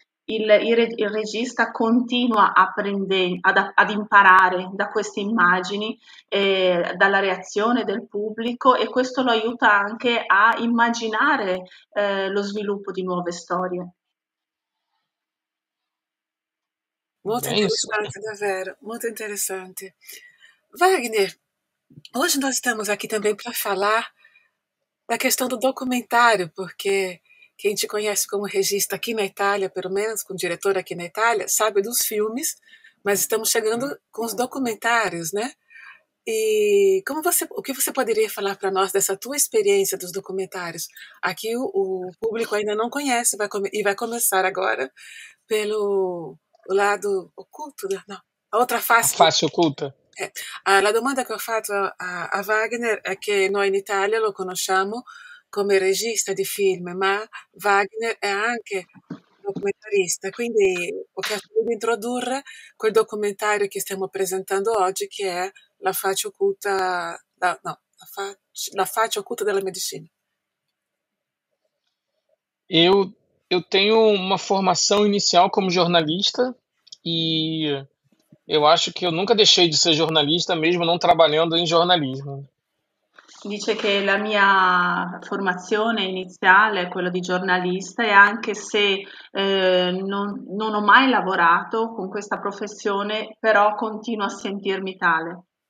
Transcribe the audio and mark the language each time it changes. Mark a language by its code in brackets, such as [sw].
[it] il regista continua a prendere, ad imparare da queste immagini, dalla reazione del pubblico, e questo lo aiuta anche a immaginare, lo sviluppo di nuove storie. Molto [pt] Bem, isso. [it] interessante, davvero, molto interessante. [pt] Wagner, hoje nós estamos aqui também para falar da questão do documentário, porque quem te conhece como regista aqui na Itália, pelo menos como diretor aqui na Itália, sabe dos filmes, mas estamos chegando com os documentários, né? E como você, o que você poderia falar para nós dessa tua experiência dos documentários? Aqui o público ainda não conhece, e vai começar agora pelo o lado oculto, não, a outra A face do. face oculta. [it] A domanda [pt] que eu faço a Wagner é que nós em [it] Itália o conosciamo come regista di film, ma Wagner è anche documentarista, quindi ho chiesto di introdurre quel documentario che stiamo presentando oggi, che è La faccia occulta, no, La faccia occulta della medicina. [pt] Eu tenho uma formação inicial como jornalista e eu acho que eu nunca deixei de ser jornalista, mesmo não trabalhando em jornalismo. [it] Dice che la mia formazione iniziale è quella di giornalista, e anche se non ho mai lavorato con questa professione, però continuo a sentirmi tale.